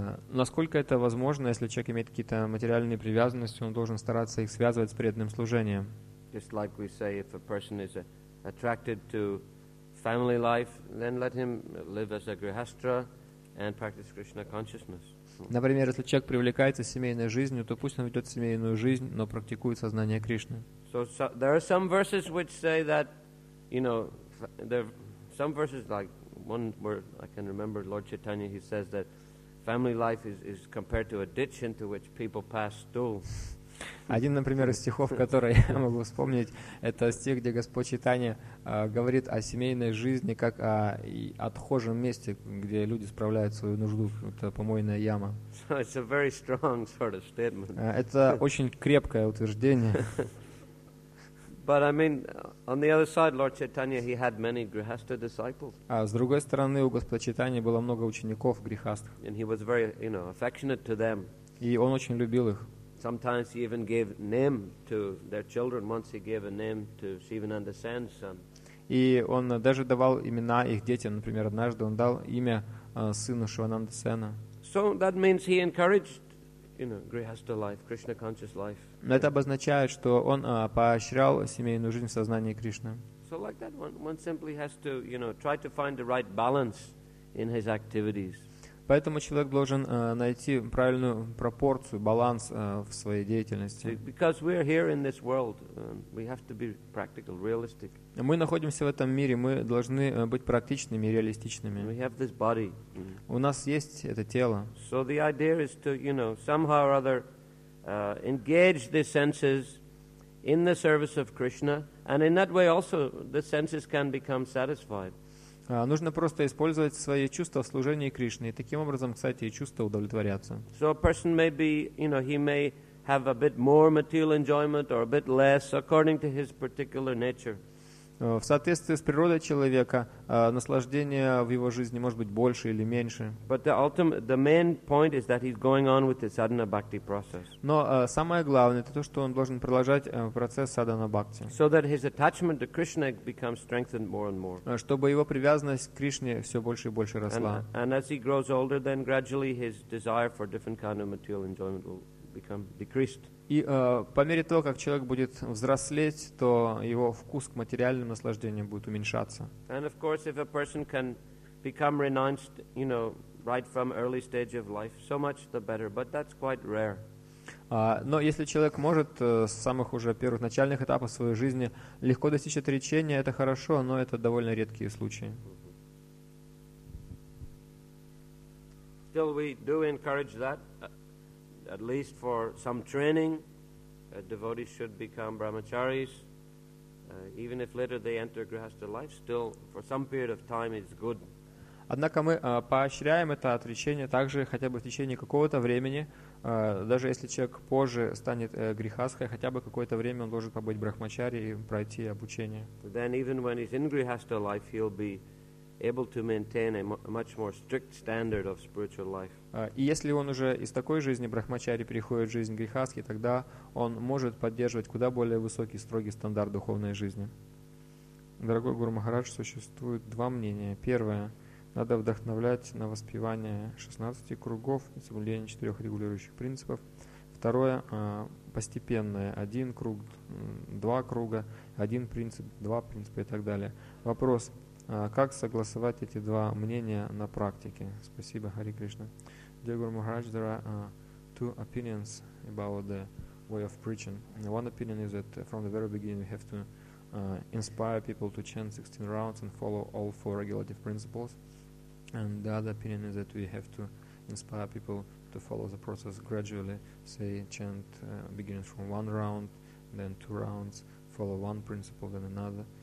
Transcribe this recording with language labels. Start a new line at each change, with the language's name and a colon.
Russian: Насколько это возможно, если человек имеет какие-то материальные привязанности, он должен стараться их связывать с преданным служением.
English: Just like we say, if a person is attracted to family life, then let him live as a grihastha and practice Krishna consciousness.
Russian: Например, если человек привлекается семейной жизнью, то пусть он ведет семейную жизнь, но практикует сознание Кришны.
English: So there are some verses which say that, you know, there are some verses like one where I can remember Lord Chaitanya, he says that family life is compared to a ditch into which people pass stools.
Russian: Один, например, из стихов, который я могу вспомнить, это стих, где Господь Чайтанья говорит о семейной жизни как о отхожем месте, где люди справляют свою нужду, это помойная яма.
English: So it's a very strong sort of statement.
Russian: Это очень крепкое утверждение.
English: But I mean, on the other side, Lord Chaitanya, he had many grihastha disciples.
Russian: С другой стороны, у Господа Чайтаньи было много учеников грихаст.
English: And he was very, you know, affectionate to them.
Russian: И он очень любил их.
English: Sometimes he even gave name to their children. Once he gave a name to Sivananda Sen's son.
Russian: И он даже давал имена их детям. Например, однажды он дал имя сыну Шивананда Сена.
English: So that means he encouraged, you know, grihastha life, Krishna conscious life.
Russian: Это обозначает, что он поощрял семейную жизнь в сознании Кришны.
English: So like that, one simply has to, you know, try to find the right balance in his activities.
Russian: Поэтому человек должен найти правильную пропорцию, баланс в своей деятельности.
English: Because we are here in this world, we have to be practical, realistic.
Russian: Мы находимся в этом мире, мы должны быть практичными, реалистичными.
English: We have this body.
Russian: У нас есть это тело.
English: So the idea is to, you know, somehow or other engage the senses in the service of Krishna, and in that way also the senses can become satisfied.
Russian: Нужно просто использовать свои чувства в служении Кришне. И таким образом, кстати, и чувства удовлетворятся.
English: So a person may be, you know, he may have a bit more material enjoyment or a bit less according to his particular nature.
Russian: В соответствии с природой человека, наслаждение в его жизни может быть больше или меньше.
English: But the main point is that he's going on with the sadhana bhakti process.
Russian: Но самое главное это то, что он должен продолжать процесс садхана бхакти.
English: So that his attachment to Krishna becomes strengthened more and more.
Russian: Чтобы его привязанность к Кришне все больше и больше росла.
English: And as he grows older, then gradually his desire for different kind of material enjoyment will become decreased.
Russian: И по мере того, как человек будет взрослеть, то его вкус к материальным наслаждениям будет уменьшаться.
English: And of course, if a person can become renounced, you know, right from early stage of life, so much the better, but that's quite rare.
Russian: Но если человек может с самых уже первых начальных этапов своей жизни легко достичь отречения, это хорошо, но это довольно редкие случаи.
English: Still, we do encourage that. At least for some training, devotees should become brahmacharis. Even if later they enter grihastha life, still for some period of time it's good.
Russian: Однако мы поощряем это отречение также хотя бы в течение какого-то времени, Даже если человек позже станет грихасхой, хотя бы какое-то время он должен побыть брахмачари и пройти обучение.
English: Then even when he's in grihastha life, he'll be able to maintain a much more strict standard of spiritual life.
Russian: И если он уже из такой жизни брахмачари переходит в жизнь грихасхи, тогда он может поддерживать куда более высокий, строгий стандарт духовной жизни. Дорогой Гуру Махарадж, существует два мнения. Первое. Надо вдохновлять на воспевание 16 кругов и соблюдение 4 регулирующих принципов. Второе. Постепенное. Один круг, два круга, один принцип, два принципа и так далее. Вопрос. Как согласовать эти два мнения на практике? Спасибо, Хари Кришна.
English: Dear Guru Maharaj, there are two opinions about the way of preaching. One opinion is that from the very beginning we have to inspire people to chant 16 rounds and follow all four regulative principles. And the other opinion is that we have to inspire people to follow the process gradually, say chant beginning from one round, then two rounds, follow one principle, then another.